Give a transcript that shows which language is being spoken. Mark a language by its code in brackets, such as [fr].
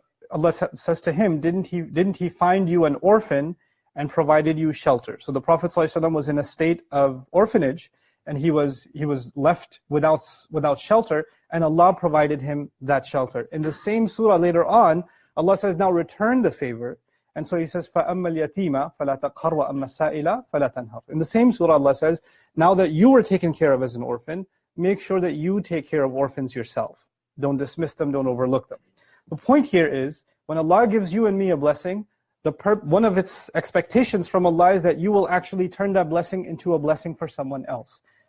[en] Allah says to him, didn't he find you an orphan and provided you shelter? So the Prophet sallallahu alayhi wa sallam was in a state of orphanage, and he was left without shelter, and Allah provided him that shelter. In the same surah later on, Allah says, now return the favor. And so He says, [ar] فَأَمَّا الْيَتِيمَ فَلَا تَقْهَرْ وَأَمَّا السَّائِلَ فَلَا تَنْهَرْ. [en] In the same surah, Allah says, now that you were taken care of as an orphan, make sure that you take care of orphans yourself. Don't dismiss them, don't overlook them. The point here is, when Allah gives you and me a blessing, one of its expectations from Allah is that you will actually turn that blessing into a blessing for someone else.